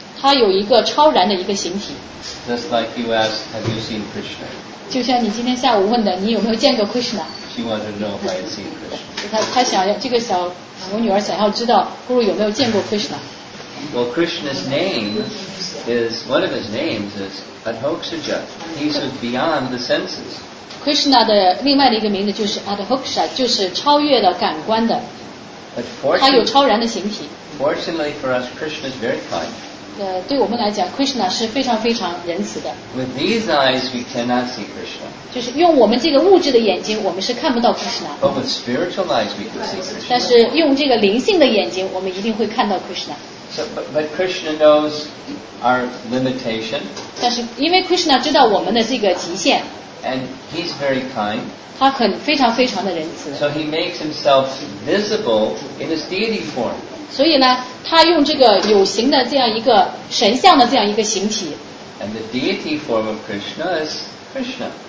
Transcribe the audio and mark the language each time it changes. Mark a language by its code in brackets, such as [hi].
[zh] 他有一个超然的一个形体。 [en] Just like you asked, have you seen Krishna? [zh] 就像你今天下午问的，你有没有见过 Krishna? [en] She wanted to know if I had seen Krishna. [zh] 她想要，这个小，我女儿想要知道 Guru 有没有见过 Krishna。 [en] Well, Krishna's name is, one of his names is Adhoksaja. He's beyond the senses. [zh] Krishna 的另外的一个名字就是 Adhoksha, 就是超越了感官的。他有超然的形体。 [en] Fortunately for us, Krishna is very kind. [zh] 对我们来讲 ,Krishna 是非常非常仁慈的。 [en] With these eyes, we cannot see Krishna. [zh] 就是用我们这个物质的眼睛我们是看不到 Krishna。 [en] But with spiritual eyes, we can see Krishna. [zh] 但是用这个灵性的眼睛我们一定会看到 Krishna。 [en] So, but Krishna knows our limitation. [zh] 但是因为 Krishna 知道我们的这个极限。 [en] And he's very kind. [zh] 他很非常非常的仁慈。 [en] So he makes himself visible in his deity form. [zh] 所以呢，他用这个有形的这样一个神像的这样一个形体。 [en] And the deity form of Krishna is Krishna.